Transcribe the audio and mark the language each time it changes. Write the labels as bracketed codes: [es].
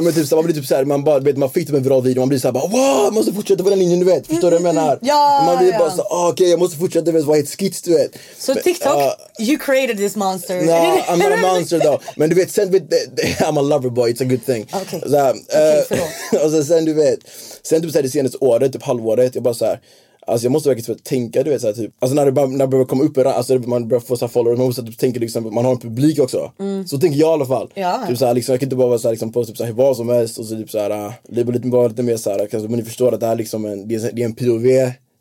[sv] men typ så man blir typ så här, man bara vet, man fick typ en bra video, man blir så här bara wow, måste fortsätta på den linjen, du vet, förstår du vad jag menar? Ja, man blir ja. Bara så okej, jag måste fortsätta, det var ett skit, du vet. Så men, TikTok [en] you created this monster. No, I'm not a monster though. [sv] Men du vet, sen vet [en] I'm a lover boy, it's a good thing. Okay. [sv] Så här, okay, och så sen du vet, sen typ så här, det senaste året, typ halvåret, jag bara så här, alltså jag måste verkligen typ tänka, du vet så här, typ alltså när det börjar komma upp, alltså man börjar få så followers, man måste typ tänka liksom, man har en publik också. Så tänker jag i alla fall. Ja. Typ så här, liksom jag kan inte bara vara så här, liksom på typ så här vad som helst och så typ så här lite mer så här, kanske, men ni förstår att det här liksom en, det är en POV.